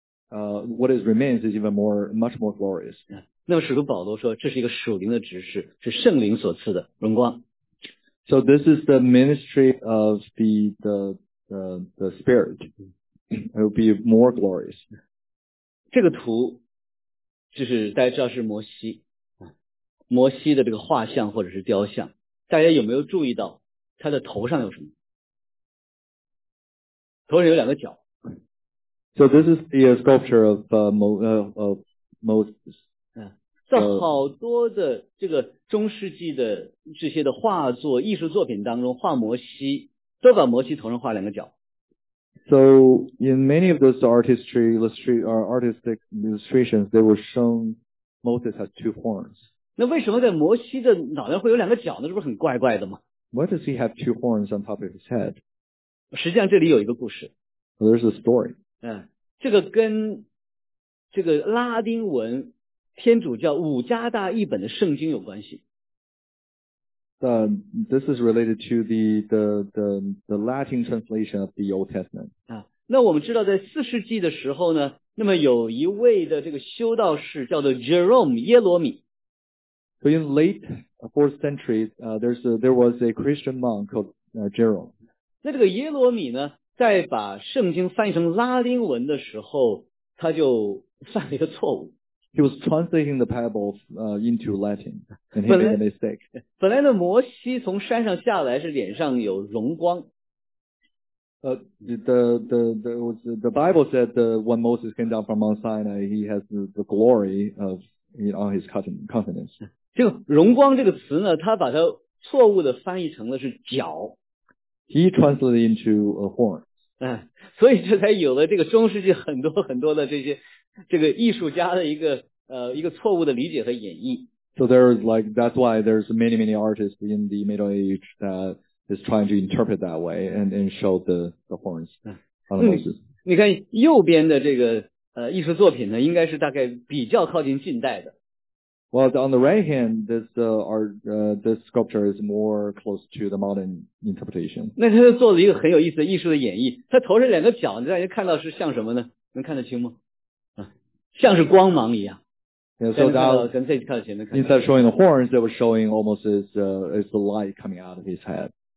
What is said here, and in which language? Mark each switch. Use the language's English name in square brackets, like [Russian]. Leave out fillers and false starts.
[English] What is remains is even more, much more glorious. [Chinese] 那么使徒保罗说，这是一个属灵的执事，是圣灵所赐的荣光。 [English] So this is the ministry of the Spirit. It will be more glorious. [Chinese] 这个图就是大家知道是摩西，摩西的这个画像或者是雕像，大家有没有注意到他的头上有什么？头上有两个角。 [English] So this is the sculpture of Moses. [Chinese] 在好多的这个中世纪的这些的画作艺术作品当中，画摩西都把摩西头上画两个角。 [English] So in many of those artistic illustrations, they were shown Moses has two horns. [Chinese] 那为什么在摩西的脑袋会有两个角呢？这不是很怪怪的吗？ [English] Why does he have two horns on top of his head? [Chinese] 实际上这里有一个故事。 [English] Well, there's a story. [Chinese] 这个跟这个拉丁文天主教五加大译本的圣经有关系。 [English] This is related to the Latin translation of the Old Testament. [Chinese] 那我们知道在四世纪的时候呢，那么有一位的这个修道士叫做 Jerome 耶罗米。 [English] So in late 4th century, there was a Christian monk called Jerome. [Chinese] 那这个耶罗米呢，在把圣经翻译成拉丁文的时候，他就犯了一个错误。 [English] He was translating the Bible into Latin, and he made a mistake. [Chinese] 本来的摩西从山上下来是脸上有荣光。 [English] The Bible said that when Moses came down from Mount Sinai, he has the glory of, on his countenance. [Chinese] 这个荣光这个词呢，他把它错误的翻译成了是角。 [English] He translated into a horn. [Chinese] 所以这才有了这个中世纪很多很多的这些这个艺术家的一个错误的理解和演绎。 [English] So there's like, that's why there's many, many artists in the Middle Age that is trying to interpret that way and show the horns on the Moses. [Chinese] 你看右边的这个艺术作品呢，应该是大概比较靠近近代的。 [English] Well, on the right hand, this sculpture is more close to the modern interpretation. [Chinese] 那他就做了一个很有意思的艺术的演绎。他头上两个角，大家看到是像什么呢？能看得清吗？像是光芒一样。 [English] Yeah, so that instead of showing the horns, it was showing almost as the light coming out of his head.